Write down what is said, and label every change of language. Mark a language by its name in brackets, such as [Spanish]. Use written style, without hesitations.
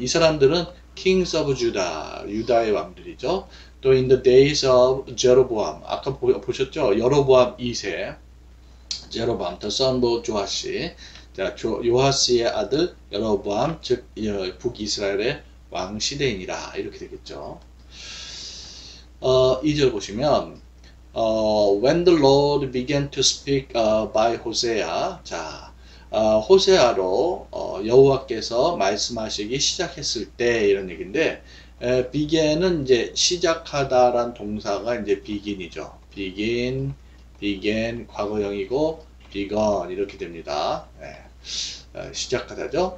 [Korean] 이 사람들은 [English] kings of Judah, [Korean] 유다의 왕들이죠. 또 [English] in the days of Jeroboam, [Korean] 아까 보셨죠? [English] 여로보암 2세, Jeroboam, the son of Joash. [Korean] 자, 요하스의 아들 여로보암, 즉 북이스라엘의 왕 시대이니라. 이렇게 되겠죠. 2절 보시면 [English] when the Lord began to speak by Hosea. [Korean] 자, 호세아로 여호와께서 말씀하시기 시작했을 때 이런 얘기인데 begin은 이제 시작하다라는 동사가 이제 begin이죠. begin, begin 과거형이고 begun 이렇게 됩니다. 시작하다죠.